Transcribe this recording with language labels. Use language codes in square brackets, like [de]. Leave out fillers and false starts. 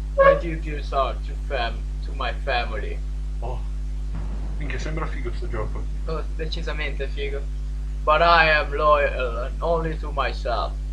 [en] introduce her to my family. [it] Oh, minchia, sembra figo sto gioco. Oh, decisamente figo. [en] But I am loyal only to myself.